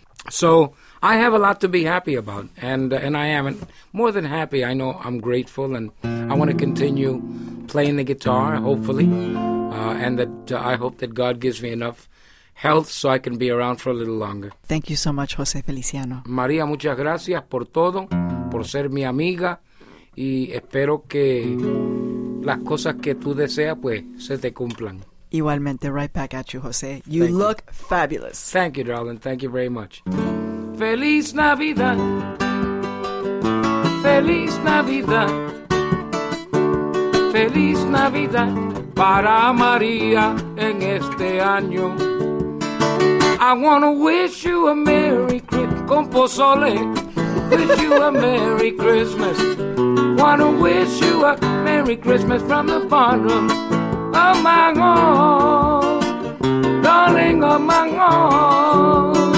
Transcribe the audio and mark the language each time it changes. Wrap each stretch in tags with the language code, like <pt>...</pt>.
<en>So I have a lot to be happy about, and I am. And more than happy, I know I'm grateful, and I want to continue playing the guitar, hopefully. I hope that God gives me enough health so I can be around for a little longer. Thank you so much, Jose Feliciano.</en> <es>María, muchas gracias por todo, por ser mi amiga, y espero que las cosas que tú deseas, pues, se te cumplan. Igualmente,</es> <en>right back at you, Jose. You look fabulous. Thank you, darling. Thank you very much.</en> <es>Feliz Navidad. Feliz Navidad. Feliz Navidad para María en este año.</es> <en>I want to wish you a Merry Christmas.</en> <es>Con pozole.</es> <en>Wish you a Merry Christmas. Want to wish you a Merry Christmas from the bottom of my heart. Darling of my heart.</en>